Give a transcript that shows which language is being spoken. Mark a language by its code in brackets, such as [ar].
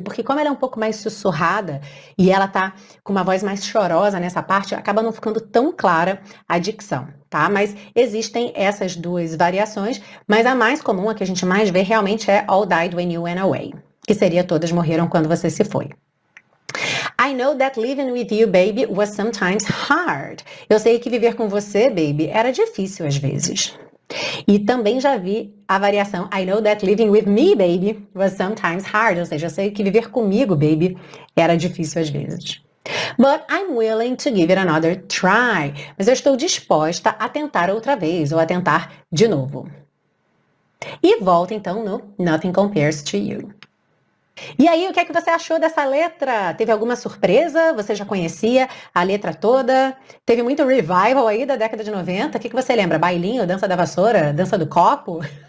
[pt] Porque como ela é um pouco mais sussurrada e ela tá com uma voz mais chorosa nessa parte, acaba não ficando tão clara a dicção, tá? Mas existem essas duas variações. Mas a mais comum, a que a gente mais vê realmente é [en] All Died When You Went Away. [pt] Que seria Todas Morreram Quando Você Se Foi. [en] I know that living with you, baby, was sometimes hard. [pt] Eu sei que viver com você, baby, era difícil às vezes. E também já vi a variação [en] I know that living with me, baby, was sometimes hard. [pt] Ou seja, eu sei que viver comigo, baby, era difícil às vezes. [en] But I'm willing to give it another try. [pt] Mas eu estou disposta a tentar outra vez ou a tentar de novo. E volta então no Nothing Compares to You. E aí, o que é que você achou dessa letra? Teve alguma surpresa? Você já conhecia a letra toda? Teve muito revival aí da década de 90? O que você lembra? Bailinho, dança da vassoura, dança do copo?